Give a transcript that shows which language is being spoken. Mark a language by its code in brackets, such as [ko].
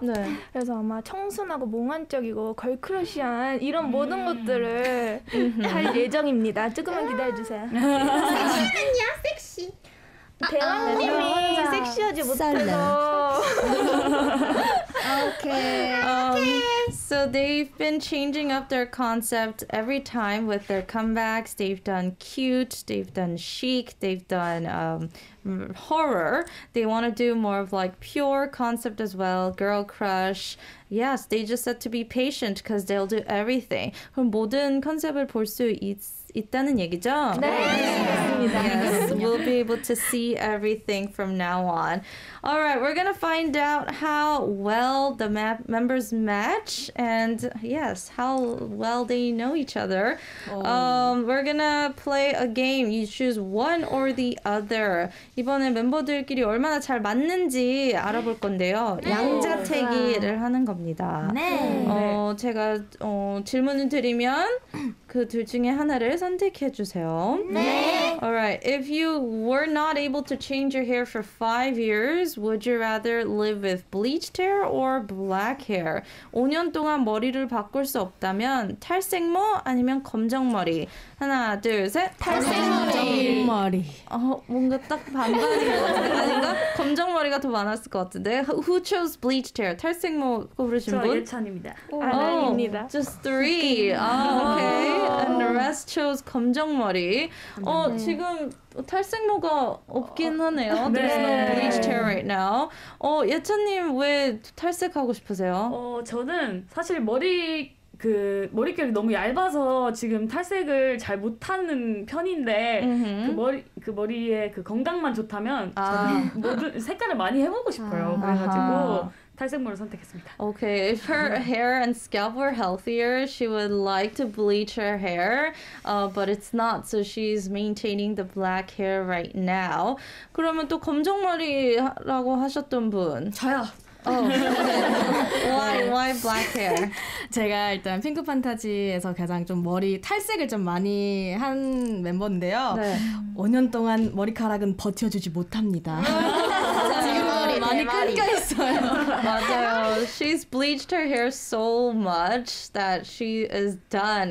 [ko] 네. 그래서 아마 청순하고 몽환적이고 걸크러시한 이런 모든 것들을 할 예정입니다. 조금만 기다려주세요. 섹시는요? 섹시. 대왕님이 섹시하지 못해서. 오케이. [en] So they've been changing up their concept every time with their comebacks. They've done cute, they've done chic, they've done horror. They want to do more of like pure concept as well, girl crush. Yes, they just said to be patient because they'll do everything. [ko] 그럼 모든 컨셉을 볼 수 있다는 얘기죠? 네, 맞습니다. [en] Yes, we'll be able to see everything from now on. All right, we're going to find out how well the members match and, yes, how well they know each other. We're going to play a game. You choose one or the other. [ko] 이번에 멤버들끼리 얼마나 잘 맞는지 알아볼 건데요. 네. 양자택이를 하는 겁니다. 네. 제가 질문을 드리면 그 둘 중에 하나를 선택해 주세요. 네. [en] All right, if you were not able to change your hair for 5 years, Would you rather live with bleached hair or black hair? [ko] 5년 동안 머리를 바꿀 수 없다면 탈색모 아니면 검정머리? 하나, 둘, 셋. 탈색머리. 뭔가 딱 반반인가? 검정머리가 더 많았을 것 같은데. [en] Who chose bleached hair? [ko] 탈색모 고르신 분? 저 예찬입니다. 아나입니다. [en] Just three. Okay. And the rest chose 검정머리. [ko] 지금 탈색모가 없긴 하네요. [en] 네. There's no bleached hair right now. [ko] 예찬님 왜 탈색하고 싶으세요? 저는 사실 머리 그 머릿결이 너무 얇아서 지금 탈색을 잘 못하는 편인데 그 머리에 그 건강만 좋다면 모든 색깔을 많이 해보고 싶어요. 그래가지고 탈색물을 선택했습니다. Okay, if her hair and scalp were healthier, she would like to bleach her hair, but it's not, so she's maintaining the black hair right now. 그러면 또 검정 머리라고 하셨던 분 저요. [en] Oh, why black hair? [ko] 제가 일단 핑크 판타지에서 가장 좀 머리 탈색을 좀 많이 한 멤버인데요. 네. 5년 동안 머리카락은 버텨주지 못합니다. 많이 끊겨 있어요. 맞아요. [en] She's bleached her hair so much that she is done.